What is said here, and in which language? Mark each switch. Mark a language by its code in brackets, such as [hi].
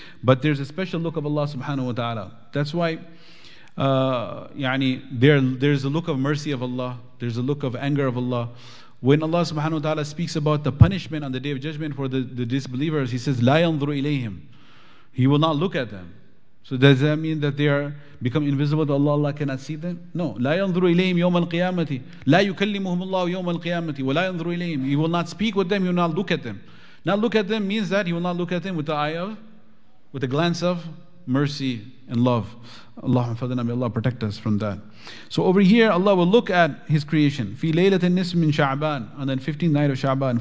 [en] But there's a special look of Allah subhanahu wa ta'ala. That's why there's a look of mercy of Allah. There's a look of anger of Allah. When Allah subhanahu wa ta'ala speaks about the punishment on the day of judgment for the disbelievers, he says [ar] لَا يَنْظُرُ إِلَيْهِمْ [en] He will not look at them. So does that mean that they are become invisible to Allah? Allah cannot see them? No. [ar] لا ينظر إليهم يوم القيامة. لا يكلمهم الله يوم القيامة. ولا ينظر إليهم. [en] He will not speak with them. He will not look at them. Not look at them means that he will not look at them with the glance of mercy and love. [ar] Allahumma fadlana, [en] may Allah protect us from that. So over here, Allah will look at His creation. [ar] Fi laylatin nisf min Sha'ban, [en] on the 15th night of Sha'ban.